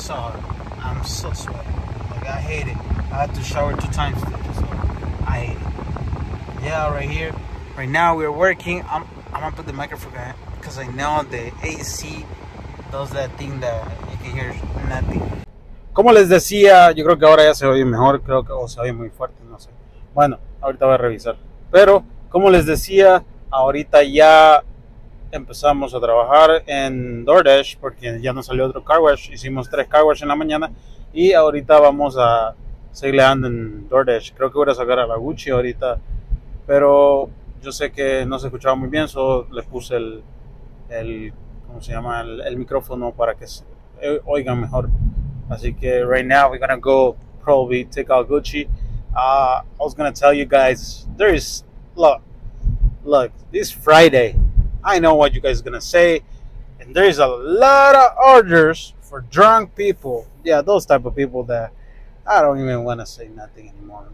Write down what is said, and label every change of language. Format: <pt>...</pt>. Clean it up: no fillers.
<en>So hot. I'm so sweaty. Like, I hate it. I had to shower 2 times today, so I hate it. Yeah, right here. Right now, we're working. I'm gonna put the microphone on because I know the AC does that thing that you can hear nothing.</en> <es>Como les decía, yo creo que ahora ya se oye mejor, creo que se oye muy fuerte, no sé. Bueno, ahorita voy a revisar. Pero, como les decía, ahorita ya empezamos a trabajar en DoorDash, porque ya nos salió otro car wash. Hicimos 3 car wash en la mañana y ahorita vamos a seguirle dando en DoorDash. Creo que voy a sacar a la Gucci ahorita, pero yo sé que no se escuchaba muy bien, solo le puse el micrófono para que se oiga mejor. Así que</es> <en>right now we're gonna go probably take out Gucci. I was gonna tell you guys, there is, look, this Friday, I know what you guys are gonna say, and there is a lot of orders for drunk people. Yeah, those type of people that I don't even wanna say nothing anymore.</en>